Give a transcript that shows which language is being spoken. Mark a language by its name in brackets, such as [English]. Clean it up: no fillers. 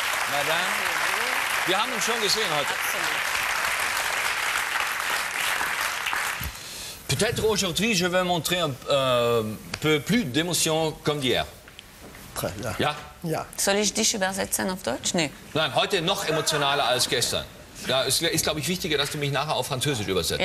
[German] Madame, wir haben uns schon gesehen heute. [French] Peut-être aujourd'hui je vais montrer un peu plus d'émotion comme d'hier. Très bien. [German] Ja? Ja. Soll ich dich übersetzen auf Deutsch? Nee. Nein, heute noch emotionaler als gestern. Ja, es ist, glaube ich, wichtiger, dass du mich nachher auf Französisch übersetzt.